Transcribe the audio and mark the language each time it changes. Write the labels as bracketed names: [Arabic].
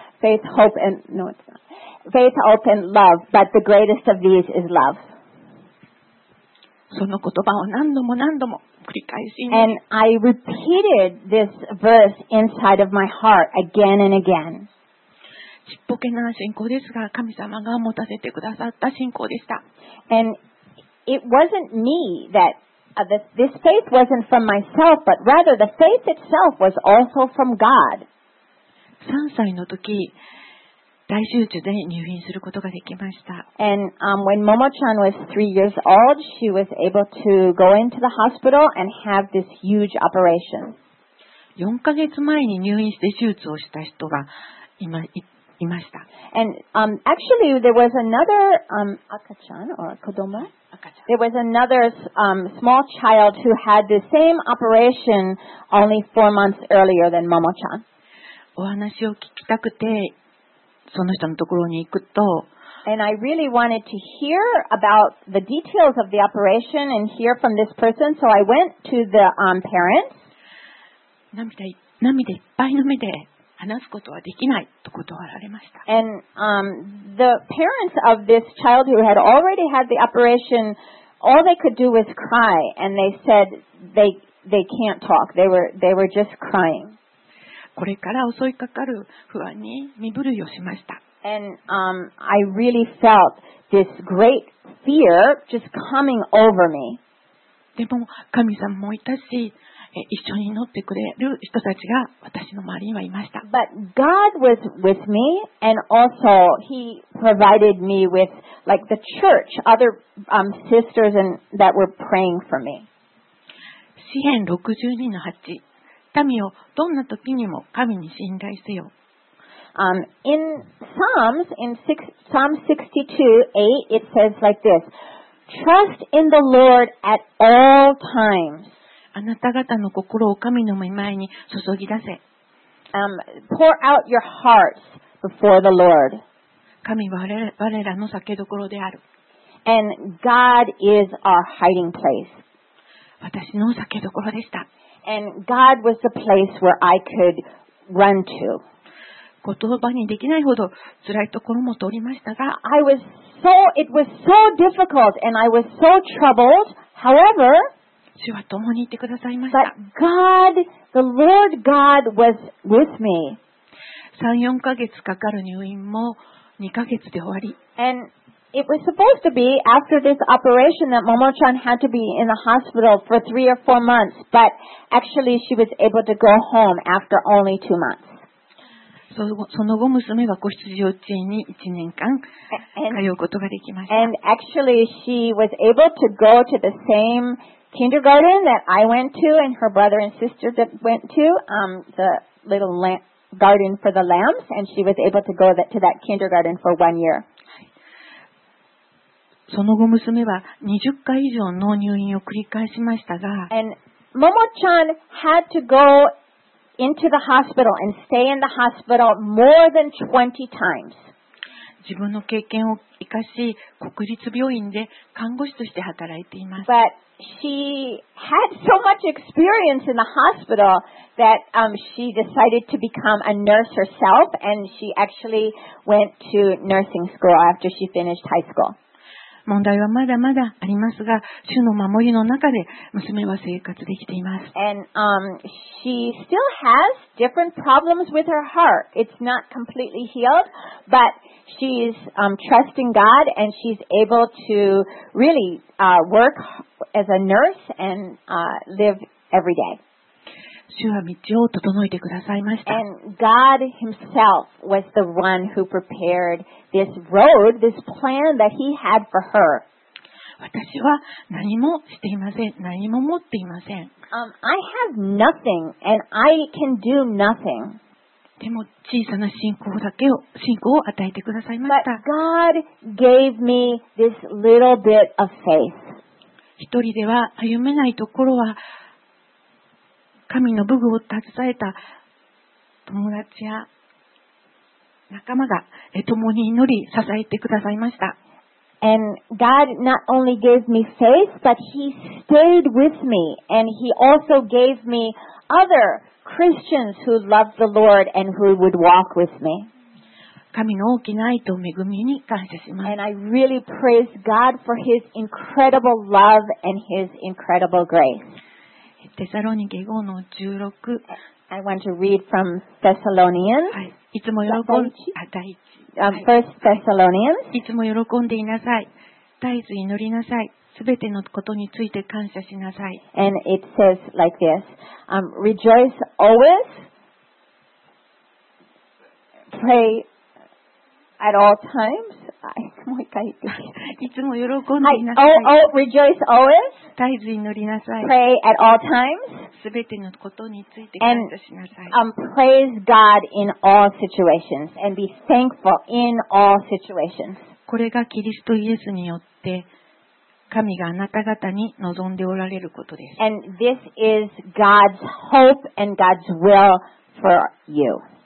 [English] Faith, hope, and no, it's not. Faith, hope, and love. But the greatest of these is love. [Japanese] その言葉を何度も何度も繰り返し。 [English] And I repeated this verse inside of my heart again and again. [Japanese] ちっぽけな信仰ですが、神様が持たせてくださった信仰でした。 [English] And it wasn't me that, this faith wasn't from myself, but rather the faith itself was also from God. [Japanese] 3歳の時、大手術で入院することができました。 [English] And when Momo-chan was 3 years old, she was able to go into the hospital and have this huge operation. [Japanese] 4ヶ月前に入院して手術をした人が今いました。 [English] And actually, there was another Akachan or Kodoma. There was another small child who had the same operation only 4 months earlier than Momo-chan. [Japanese] お話を聞きたくてその人のところに行くと。 [English] And I really wanted to hear about the details of the operation and hear from this person, so I went to the parents. [Japanese] 涙いっぱいの目で。話すことはできないと断られました。 [English] And the parents of this child who had already had the operation, all they could do was cry, and they said they can't talk. They were just crying. [Japanese] これから襲いかかる不安に身震いをしました。 [English] And I really felt this great fear just coming over me. [Japanese] でも神様もいたし。一緒に乗ってくれる人たちが私の周りにはいました。 [English] But God was with me, and also He provided me with like the church, other sisters and that were praying for me. [Japanese] 詩編62:8、民をどんな時にも神に信頼せよ。 [English] In Psalms, in Psalm 62:8, it says like this: Trust in the Lord at all times. [Japanese] あなた方の心を神の御前に注ぎ出せ。 [English] Pour out your hearts before the Lord. [Japanese] 神は我らの避けどころである。 [English] And God is our hiding place. [Japanese] 私の避けどころでした。 [English] And God was the place where I could run to. [Japanese] 言葉にできないほど辛いところも通りましたが、 [English] it was so difficult and I was so troubled. However, [Japanese] 主は共にいてくださいました。 [English] But God, the Lord God was with me. [Japanese] 3-4ヶ月かかる入院も2ヶ月で終わり。 [English] And it was supposed to be after this operation that Momo-chan had to be in the hospital for 3 or 4 months, but actually she was able to go home after only 2 months. [Japanese] その後娘は子羊幼稚園に1年間通うことができました。 [English] And actually she was able to go to the same kindergarten that I went to and her brother and sister that went to the little garden for the lambs and she was able to go to that kindergarten for 1 year. [Japanese] その後娘は20回以上の入院を繰り返しましたが [English] And Momo-chan had to go into the hospital and stay in the hospital more than 20 times. [Japanese] 自分の経験を生かし国立病院で看護師として働いています。 [English] But she had so much experience in the hospital that she decided to become a nurse herself and she actually went to nursing school after she finished high school. [Japanese] 問題はまだまだありますが、主の守りの中で娘は生活できています。 [English] And she still has different problems with her heart. It's not completely healed, but she's trusting God and she's able to really work as a nurse and live every day. [Japanese] 主は道を整えてくださいました。 [English] And God himself was the one who prepared this road, this plan that he had for her. [Japanese] 私は何もしていません。何も持っていません。 [English] I have nothing and I can do nothing. [Japanese] でも小さな信仰だけを信仰を与えてくださいました。 [English] But God gave me this little bit of faith. [Japanese] 一人では歩めないところは神の武具を携えた友達や仲間が共に祈り支えてくださいました。 [English] And God not only gave me faith, but He stayed with me, and He also gave me other. Christians who love the Lord and who would walk with me. [Japanese] 神の大きな愛と恵みに感謝します。 [English] And I really praise God for His incredible love and His incredible grace. [Japanese] テサロニケ5の16。 [English] I want to read from Thessalonians. [Japanese] いつも喜ん、あ、第 [English] 1。 First Thessalonians. [Japanese] いつも喜んでいなさい。絶えず祈りなさい。全てのことについて感謝しなさい。 [English] And it says like this, rejoice always, pray at all times. [Japanese] もう一回言ってください。いつも喜んでいなさい。 [English] Rejoice always, [Japanese] 絶えず祈りなさい。 [English] Pray at all times, [Japanese] 全てのことについて感謝しなさい。 [English] And praise God in all situations, and be thankful in all situations. [Japanese] これがキリストイエスによって神があなた方に望んでおられることです。 [English] And this is God's hope and God's will for you.